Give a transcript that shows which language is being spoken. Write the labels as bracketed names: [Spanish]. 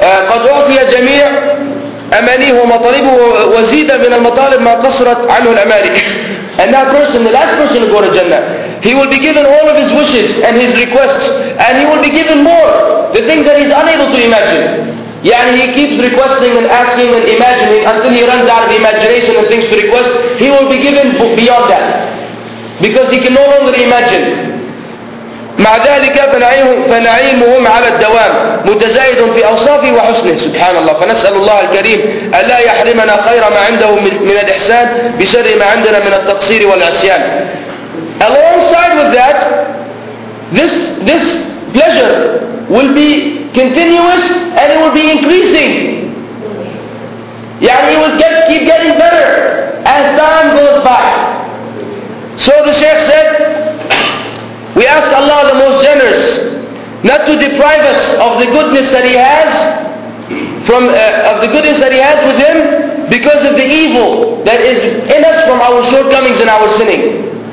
[Arabic] قَدْ أُعْطِيَ جَمِيعَ أَمَانِيهُ وَمَطَالِبُهُ وَزِيدًا مِنَ الْمَطَالِبِ مَا قَصْرَتْ عَنْهُ الْأَمَالِكِ [English] And that person, the last person to go to Jannah, he will be given all of his wishes and his requests, and he will be given more, the things that he's unable to imagine. Yani he keeps requesting and asking and imagining until he runs out of imagination and things to request, he will be given beyond that. Because he can no longer imagine. [Arabic] مع ذلك فنعيمهم على الدوام متزايد في أوصافه وحسنه سبحان الله فنسأل الله الكريم ألا يحرمنا خير ما عنده من الإحسان بشر ما عندنا من التقصير والعصيان. [English] Alongside with that, this pleasure will be continuous and it will be increasing. يعني it will keep getting better as time goes by. So the Shaykh said, we ask Allah the most generous not to deprive us of the goodness that He has of the goodness that He has with Him because of the evil that is in us from our shortcomings and our sinning.